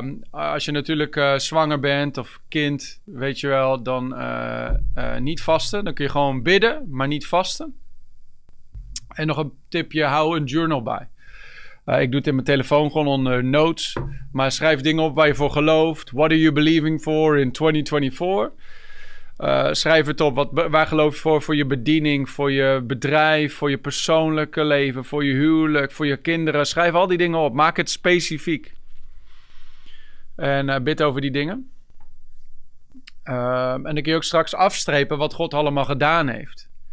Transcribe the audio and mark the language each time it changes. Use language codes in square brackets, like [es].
[nl] Als je natuurlijk zwanger bent of kind, weet je wel, dan niet vasten. Dan kun je gewoon bidden, maar niet vasten. En nog een tipje, hou een journal bij. Ik doe het in mijn telefoon gewoon onder notes. Maar schrijf dingen op waar je voor gelooft. [en] What are you believing for in 2024? [nl] Schrijf het op. Waar geloof je voor? Voor je bediening, voor je bedrijf, voor je persoonlijke leven, voor je huwelijk, voor je kinderen. Schrijf al die dingen op. Maak het specifiek. En bid over die dingen. En dan kun je ook straks afstrepen wat God allemaal gedaan heeft.